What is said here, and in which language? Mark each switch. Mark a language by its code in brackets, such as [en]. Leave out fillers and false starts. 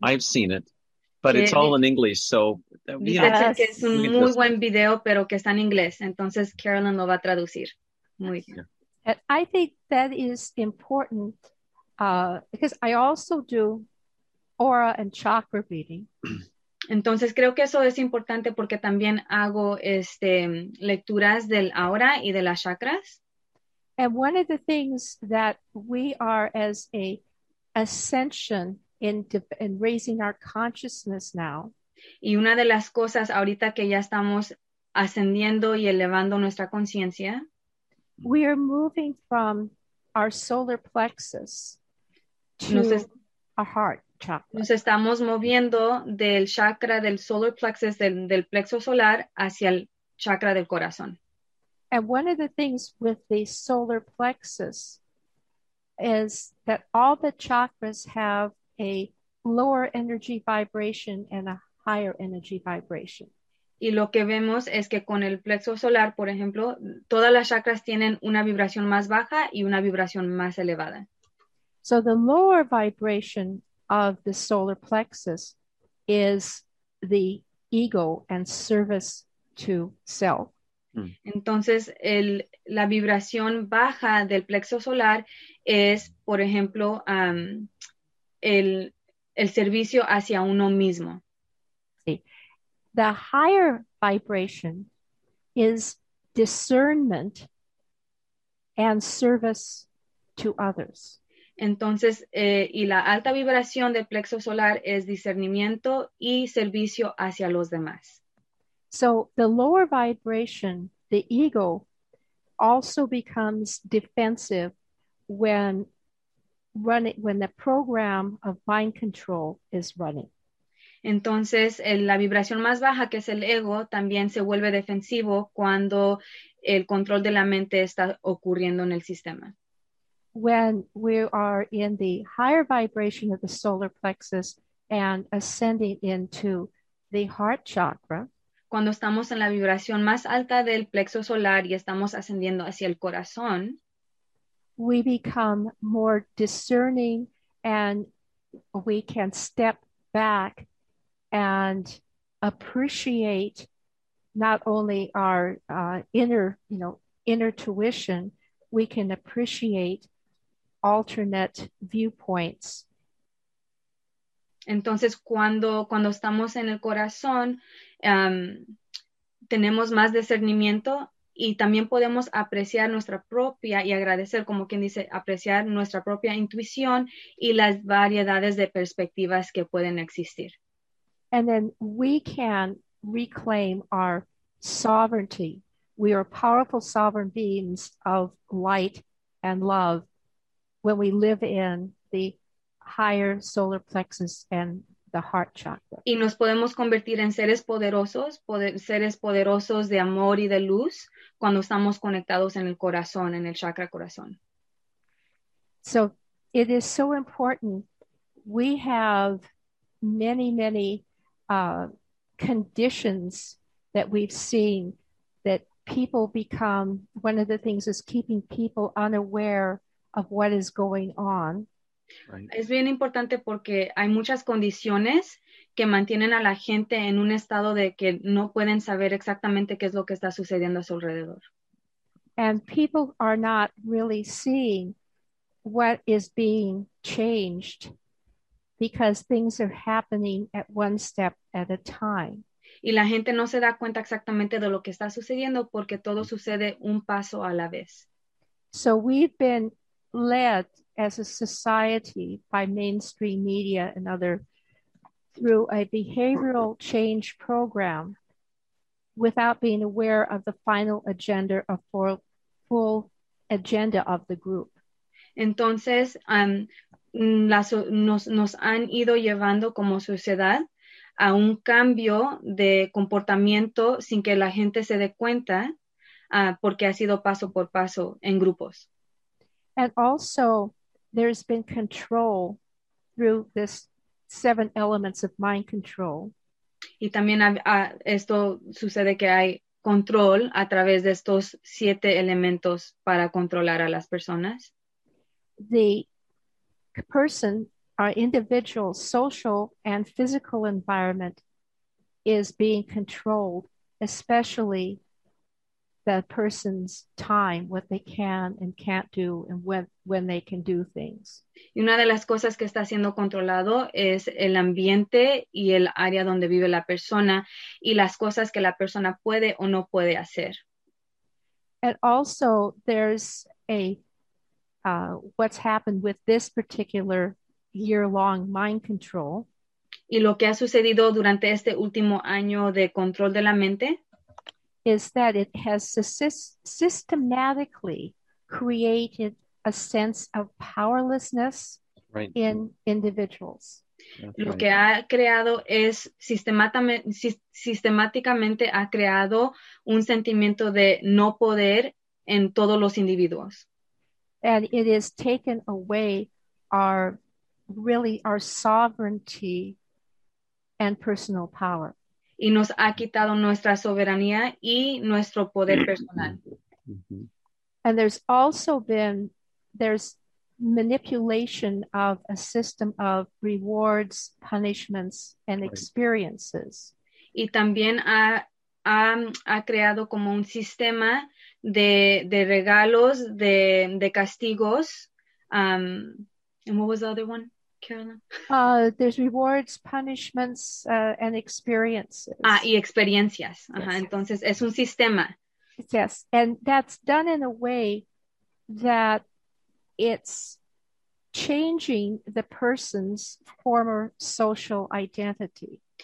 [en] I've seen it, but it's all in English, so [es] dice que es un muy buen video, pero que está en inglés. Entonces Carolyn lo va a traducir. [en] And I think that is important because I also do aura and chakra reading. [es] Entonces creo que eso es importante porque también hago lecturas del aura y de las chakras. [en] And one of the things that we are as a ascension in raising our consciousness now. [es] Y una de las cosas ahorita que ya estamos ascendiendo y elevando nuestra conciencia. [en] We are moving from our solar plexus to a heart chakra. [es] Nos estamos moviendo del chakra del solar plexus, del plexo solar, hacia el chakra del corazón. [en] And one of the things with the solar plexus is that all the chakras have a lower energy vibration and a higher energy vibration. [es] Y lo que vemos es que con el plexo solar, por ejemplo, todas las chakras tienen una vibración más baja y una vibración más elevada. [en] So the lower vibration of the solar plexus is the ego and service to self. [es] Entonces, la vibración baja del plexo solar es, por ejemplo, el servicio hacia uno mismo. Sí. [en] The higher vibration is discernment and service to others. [es] Entonces, y la alta vibración del plexo solar es discernimiento y servicio hacia los demás. [en] So the lower vibration, the ego, also becomes defensive when the program of mind control is running. [es] Entonces, la vibración más baja, que es el ego, también se vuelve defensivo cuando el control de la mente está ocurriendo en el sistema. [en] When we are in the higher vibration of the solar plexus and ascending into the heart chakra, [es] cuando estamos en la vibración más alta del plexo solar y estamos ascendiendo hacia el corazón, [en] we become more discerning and we can step back and appreciate not only our inner tuition, we can appreciate alternate viewpoints. [es] Entonces, cuando estamos en el corazón, tenemos más discernimiento y también podemos apreciar nuestra propia y agradecer, como quien dice, apreciar nuestra propia intuición y las variedades de perspectivas que pueden existir. [en] And then we can reclaim our sovereignty. We are powerful sovereign beings of light and love when we live in the higher solar plexus and the heart chakra. [es] Y nos podemos convertir en seres poderosos de amor y de luz cuando estamos conectados en el corazón, en el chakra corazón. [en] So it is so important. We have many, many conditions that we've seen that people become, one of the things is keeping people unaware of what is going on. [es] Right. Es bien importante porque hay muchas condiciones que mantienen a la gente en un estado de que no pueden saber exactamente qué es lo que está sucediendo a su alrededor. [en] And people are not really seeing what is being changed because things are happening at one step at a time. [es] Y la gente no se da cuenta exactamente de lo que está sucediendo porque todo sucede un paso a la vez. [en] So we've been led as a society by mainstream media and other through a behavioral change program without being aware of the final agenda or full agenda of the group. [es] Entonces, nos han ido llevando como sociedad a un cambio de comportamiento sin que la gente se dé cuenta, porque ha sido paso por paso en grupos. [en] And also, there's been control through this 7 elements of mind control. [es] Y también esto sucede que hay control a través de estos 7 elementos para controlar a las personas. [en] The person, our individual social and physical environment is being controlled, especially that person's time, what they can and can't do, and when they can do things. [es] Y una de las cosas que está siendo controlado es el ambiente y el área donde vive la persona y las cosas que la persona puede o no puede hacer. [en] And also, there's what's happened with this particular year-long mind control. [es] Y lo que ha sucedido durante este último año de control de la mente [en] is that it has systematically created a sense of powerlessness, right. in individuals. That's lo right. [es] que ha creado es sistemáticamente ha creado un sentimiento de no poder en todos los individuos. [en] And it has taken away our really our sovereignty and personal power. [es] Y nos ha quitado nuestra soberanía y nuestro poder personal. Mm-hmm. [en] And there's also been there's manipulation of a system of rewards, punishments, and experiences. [es] Y también ha creado como un sistema de regalos, de castigos. [en] And what was the other one, Carolyn? There's rewards, punishments, and experiences. [es] Ah, y experiencias. Yes. Uh-huh. Entonces, es un sistema. [en] Yes, and that's done in a way that it's changing the person's former social identity.